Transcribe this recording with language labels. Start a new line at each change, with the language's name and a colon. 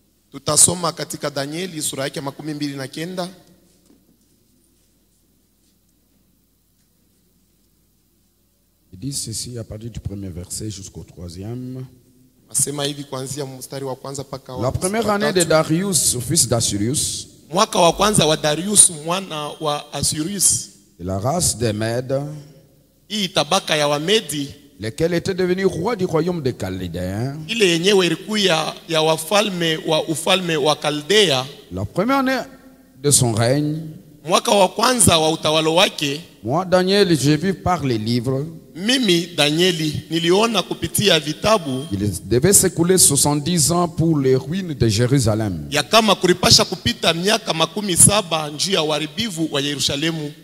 Swahili: Tutasoma katika Daniel sura yake 29.
French: Il dit ceci à partir du premier verset jusqu'au troisième.
Swahili: Asema hivi kuanzia mstari wa kwanza paka
French: wa. La première année de Darius, fils d'Assyrius.
Swahili: Mwaka wa kwanza wa Darius mwana wa Assyrius.
French: De la race des Mèdes.
Swahili: Hii tabaka ya Wamedi.
French: Lequel était devenu roi du royaume des Chaldéens.
Swahili: Ile yenyewe ilikuwa ya wafalme wa ufalme wa Kaldea.
French: La première année de son règne.
Swahili: Mwaka wa kwanza wa utawalo wake.
French: Moi Daniel, j'ai vu par les livres.
Swahili: Mimi Danieli niliona kupitia vitabu.
French: Il devait s'écouler 70 ans pour les ruines de Jérusalem.
Swahili: Ya kama kuripasha kupita miaka 70 njia ya uharibifu wa Yerusalemu.